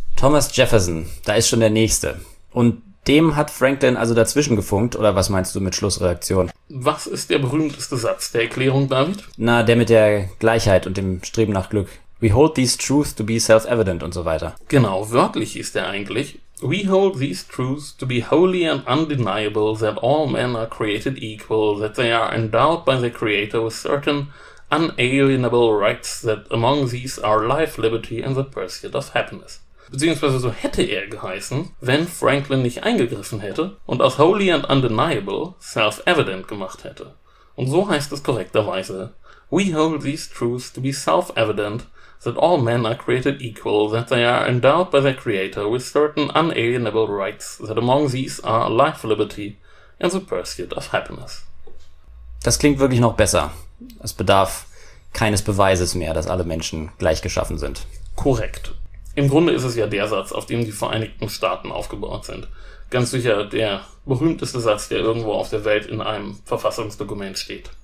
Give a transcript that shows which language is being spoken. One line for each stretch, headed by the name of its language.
German: Thomas Jefferson, da ist schon der Nächste. Und dem hat Franklin also dazwischen gefunkt, oder was meinst du mit Schlussredaktion? Was ist der berühmteste Satz der Erklärung, David? Na, der mit der Gleichheit und dem Streben nach Glück.
English: We hold these truths to be self-evident
German: und so weiter. Genau, wörtlich ist er eigentlich.
English: We hold these truths to be holy and undeniable, that all men are created equal, that they are endowed by the Creator with certain unalienable rights, that among these are life, liberty and the pursuit of happiness.
German: Beziehungsweise so hätte er geheißen, wenn Franklin nicht eingegriffen hätte und aus
English: holy and undeniable
German: self-evident gemacht hätte. Und so heißt es korrekterweise.
English: We hold these truths to be self-evident, that all men are created equal, that they are endowed by their creator with certain unalienable rights, that among these are life, liberty and the pursuit of happiness.
German: Das klingt wirklich noch besser. Es bedarf keines Beweises mehr, dass alle Menschen gleich geschaffen sind. Korrekt. Im Grunde ist es ja der Satz, auf dem die Vereinigten Staaten aufgebaut sind. Ganz sicher der berühmteste Satz, der irgendwo auf der Welt in einem Verfassungsdokument steht.